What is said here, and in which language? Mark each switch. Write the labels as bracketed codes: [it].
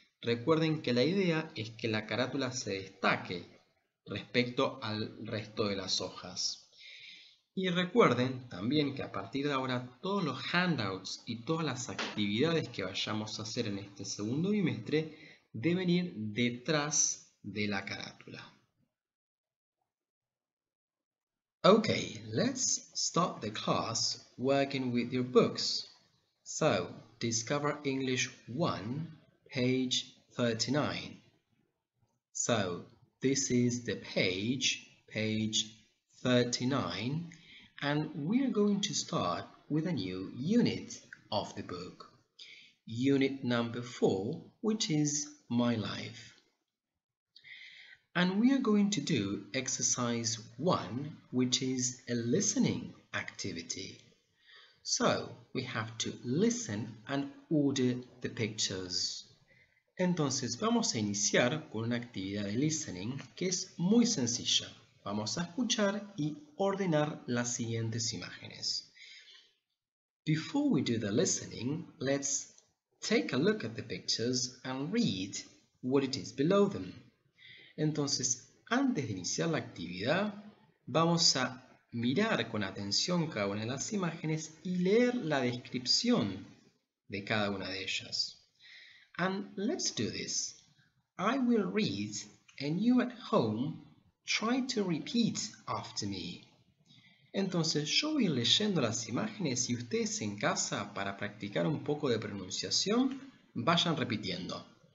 [es] Recuerden que la idea es que la carátula se destaque respecto al resto de las hojas. Y recuerden también que a partir de ahora todos los handouts y todas las actividades que vayamos a hacer en este segundo bimestre deben ir detrás de la carátula. [en] Okay, let's start the class working with your books. So, Discover English 1, page 39. So, this is the page 39. And we are going to start with a new unit of the book. Unit number 4, which is My Life. And we are going to do exercise 1, which is a listening activity. So, we have to listen and order the pictures. [es] Entonces, vamos a iniciar con una actividad de listening que es muy sencilla. Vamos a escuchar y ordenar las siguientes imágenes. [en] Before we do the listening, let's take a look at the pictures and read what it is below them. [es] Entonces, antes de iniciar la actividad, vamos a mirar con atención cada una de las imágenes y leer la descripción de cada una de ellas. [en] And let's do this. I will read and you at home try to repeat after me. [es] Entonces, yo voy leyendo las imágenes y ustedes en casa, para practicar un poco de pronunciación, vayan repitiendo.